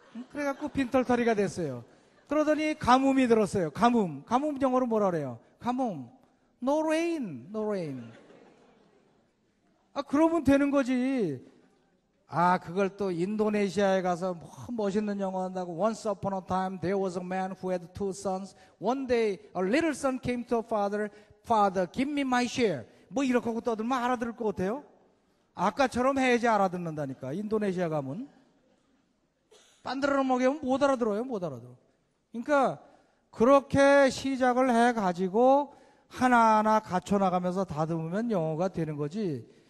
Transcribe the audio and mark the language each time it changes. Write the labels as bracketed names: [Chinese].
[Korean] 그래갖고 빈털터리가 됐어요. 그러더니 가뭄이 들었어요. 가뭄. 가뭄 영어로 뭐라 그래요? 가뭄. [English] No rain. No rain. [Korean] 아, 그러면 되는 거지. 아, 그걸 또 인도네시아에 가서 뭐 멋있는 영어 한다고. [English] Once upon a time, there was a man who had two sons. One day, a little son came to a father. Father, give me my share. [Korean] 뭐 이렇게 하고 떠들면 알아들을 것 같아요? 아까처럼 해야지 알아듣는다니까. 인도네시아 가면. 반들어 먹으면 못 알아들어요. 못 알아들어. 그러니까 그렇게 시작을 해가지고 하나하나 갖춰나가면서 다듬으면 영어가 되는 거지.